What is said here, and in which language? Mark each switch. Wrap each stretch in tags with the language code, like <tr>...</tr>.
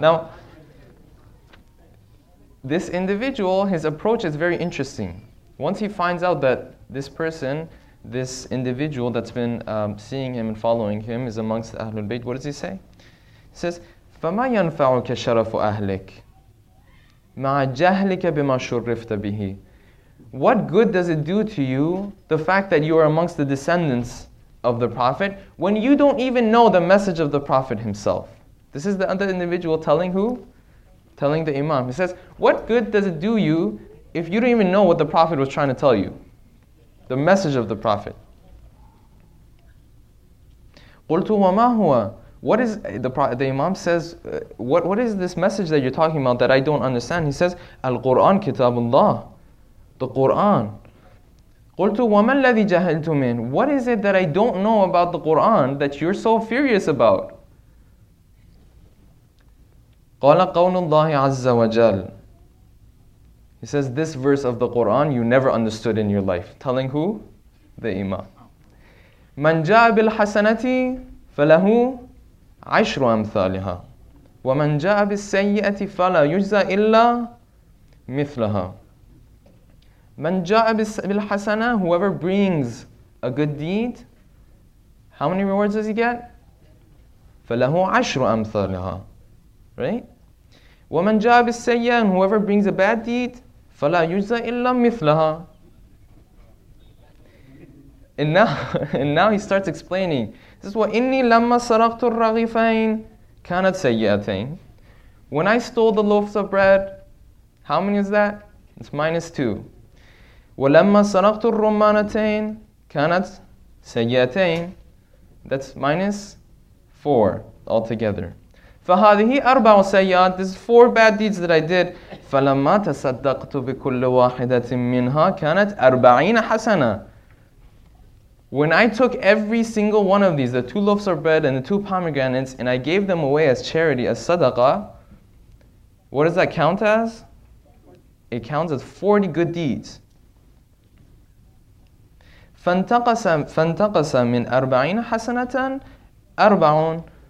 <en>Now, this individual, his approach is very interesting. Once he finds out that this person, this individual that's been seeing him and following him is amongst Ahlul Bayt, what does he say? He says,</en> <ar>فَمَا يَنْفَعُكَ شَرَفُ أَهْلِكَ مَعَ جَهْلِكَ بِمَا شُرِّفْتَ بِهِ.</ar> <en>What good does it do to you, the fact that you are amongst the descendants of the Prophet, when you don't even know the message of the Prophet himself? This is the other individual telling who? Telling the Imam. He says, what good does it do you if you don't even know what the Prophet was trying to tell you? The message of the Prophet.</en> <ar>قُلْتُ وَمَا هُوَ.</ar> <en>What is the Imam says, what is this message that you're talking about that I don't understand? He says, Al-Qur'an kitabullah, the Qur'an.</en> <ar>قُلْتُ وَمَا الَّذِي جَهَلْتُ مِنْ.</ar> <en>What is it that I don't know about the Qur'an that you're so furious about?</en> <ar>قَالَ قَوْلُ اللَّهِ عَزَّ وَجَلْ.</ar> <en>He says, this verse of the Qur'an you never understood in your life. Telling who? the imam.</en> <ar>من جاء بالحسنة فله عشر أمثالها ومن جاء بالسيئة فلا يجزى إلا مثلها. من جاء بالحسنة,</ar> <en>whoever brings a good deed, how many rewards does he get?</en> <ar>فله عشر أمثالها.</ar> <en>Right?</en> <ar>ومن جاء بالسيئة,</ar> <en>and whoever brings a bad deed,</en> <ar>فلا يجزى إلا مثلها.</ar> <en>And now he starts explaining. This is what</en> <ar>إني لما سرقت الرغيفين كانت سيئتين.</ar> <en>When I stole the loaves of bread, how many is that? It's minus two.</en> <ar>ولما سرقت الرمانتين كانت سيئتين.</ar> <en>That's minus four altogether.</en> <ar>فهذه أربع سيئات.</ar> <en>This is four bad deeds that I did.</en> <ar>فلما تصدقت بكل واحدة منها كانت أربعين حسنة.</ar> <en>When I took every single one of these, the two loaves of bread and the two pomegranates, and I gave them away as charity, as sadaqah, what does that count as? It counts as 40 good deeds.</en> <ar>فَانْتَقَسَ مِنْ أَرْبَعِينَ حَسَنَةً أَرْبَعُونَ.</ar>